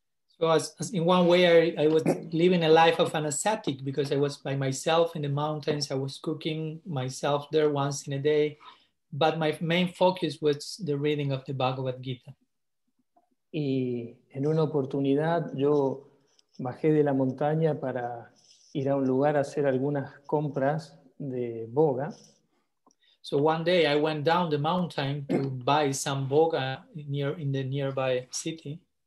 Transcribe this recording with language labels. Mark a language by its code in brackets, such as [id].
[en] So as in one way I was living a life of an ascetic because I was by myself in the mountains, I was cooking myself there once in a day, but my main focus was the reading of the Bhagavad Gita. [es] Y en una oportunidad yo bajé de la montaña para ir a un lugar a hacer algunas compras de boga. [en] So one day I went down the mountain to buy some boga in the nearby city.